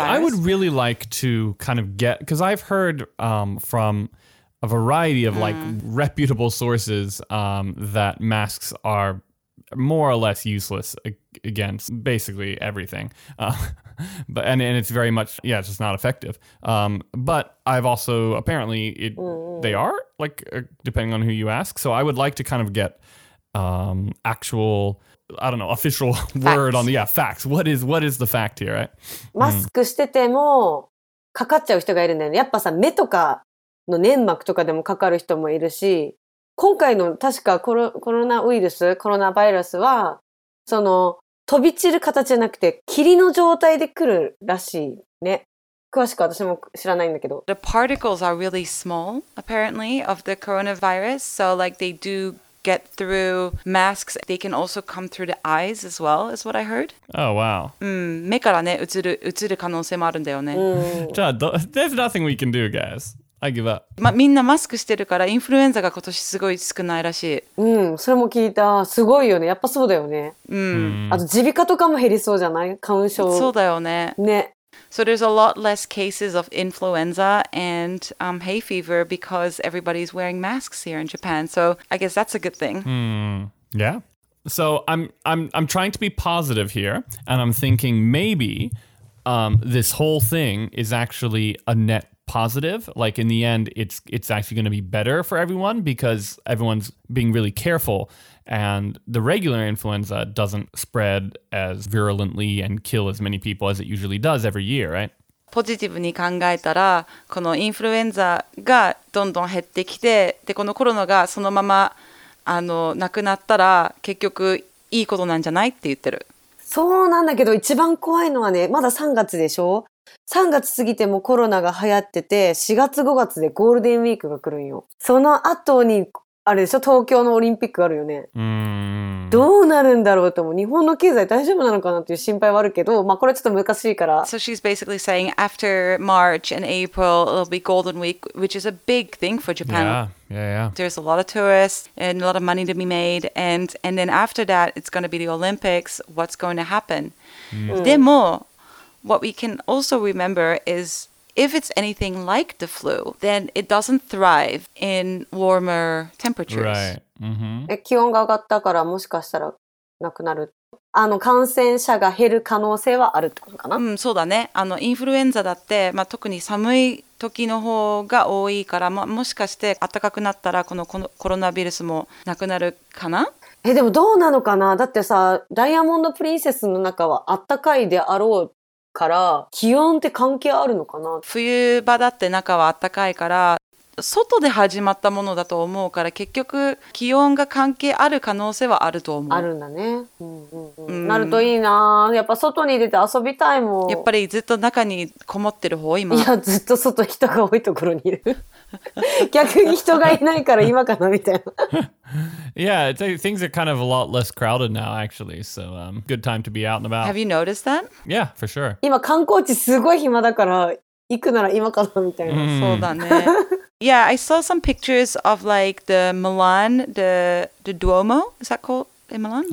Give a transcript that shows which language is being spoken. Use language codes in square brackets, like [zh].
[en] I would really like to kind of get, because I've heard from a variety of like reputable sources that masks are more or less useless against basically everything. But it's very much, yeah, it's just not effective. But I've also, apparently, they are, like, depending on who you ask. So I would like to kind of get actual, I don't know, official facts. Word on the, yeah, facts. What is the fact here, right? [ja] マスクしててもかかっちゃう人がいるんだよね。やっぱさ、目とかの粘膜とかでもかかる人もいるし、今回の確かコロナバイルスは、その、飛び散る形じゃなくて霧の状態で来るらしいね。詳しく私も知らないんだけど。 [en] The particles are really small, apparently, of the coronavirus. So, like, they do get through masks. They can also come through the eyes as well, is what I heard. Oh, wow. [ja] 目からね、映る可能性もあるんだよね。じゃあ、 [en] there's nothing we can do, guys. I give up. [ja] みんなマスクしてるから、インフルエンザが今年すごい少ないらしい。それも聞いた。すごいよね。やっぱそうだよね。あと、耳鼻科とかも減りそうじゃない？花粉症。そうだよね。ね。 [en] So there's a lot less cases of influenza and hay fever because everybody's wearing masks here in Japan. So I guess that's a good thing. Yeah. So I'm trying to be positive here, and I'm thinking maybe this whole thing is actually a net positive. Like in the end, it's actually going to be better for everyone because everyone's being really careful and the regular influenza doesn't spread as virulently and kill as many people as it usually does every year, right? [ja] ポジティブに考えたら、このインフルエンザがどんどん減ってきて、で、このコロナがそのまま、亡くなったら、結局いいことなんじゃないって言ってる。そうなんだけど、一番怖いのはね、まだ3月でしょ？3月過ぎてもコロナが流行ってて、4月5月でゴールデンウィークが来るんよ。その後に、あれでしょ、東京のオリンピックがあるよね。どうなるんだろうと思う。日本の経済大丈夫なのかなっていう心配はあるけど、まあこれはちょっと難しいから。 [en] So she's basically saying after March and April it'll be Golden Week, which is a big thing for Japan. Yeah. There's a lot of tourists and a lot of money to be made, and then after that it's going to be the Olympics. What's going to happen?、Mm. [ja] でも、 [en] what we can also remember is if it's anything like the flu, then it doesn't thrive in warmer temperatures. Right. Mm-hmm. [ja] 気温が上がったからもしかしたらなくなる。あの感染者が減る可能性はあるってことかな。うん、そうだね。あのインフルエンザだって、まあ、特に寒い時の方が多いから、まあ、もしかして暖かくなったらこのコロナウイルスもなくなるかな。え、でもどうなのかな。だってさ、ダイヤモンドプリンセスの中は暖かいであろうから気温って関係あるのかな。冬場だって中は暖かいから外で始まったものだと思うから結局気温が関係ある可能性はあると思う。あるんだね、うんうんうん、なるといいな。やっぱ外に出て遊びたいもん。やっぱりずっと中にこもってる方今。いや、ずっと外人が多いところにいる逆に人がいないから今かなみたいな。 [en] Yeah, things are kind of a lot less crowded now actually. So, good time to be out and about. Have you noticed that? Yeah, for sure. [ja] 今観光地すごい暇だから行くなら今かなみたいな、 mm. そうだね [en] Yeah, I saw some pictures of like the Milan, the Duomo, is that called in Milan?